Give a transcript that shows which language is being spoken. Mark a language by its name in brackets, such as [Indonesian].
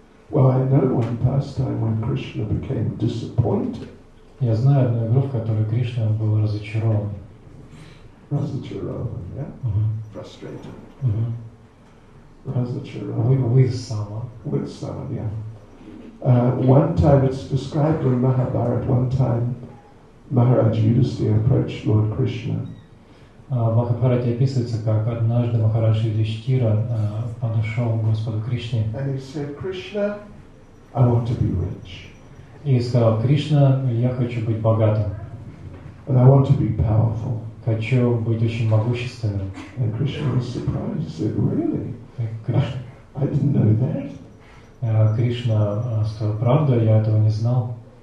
[English] Well, I know one pastime when Krishna became disappointed. [Russian] Я знаю одну игру, в которой Кришна был разочарован. [English] Разочарован, yeah? Mm-hmm. Frustrated. Mm-hmm. [Russian] Разочарован. [English] With someone. With someone, yeah. One time, it's described in Mahabharata, one time Maharaj Yudhisthira approached Lord Krishna. [Russian] В Махабхарате описывается, как однажды Махарадж Юдхиштхира подошел к Господу Кришне [English] and he said, Krishna, I want to be rich. [Russian] И сказал: «Кришна, я хочу быть богатым». [English] And I want to be powerful. [Russian] Хочу быть очень могущественным. [English] And Krishna was surprised. He said, really? Krishna, I didn't know that. [Russian] Кришна сказал: «Правда, я этого не знал».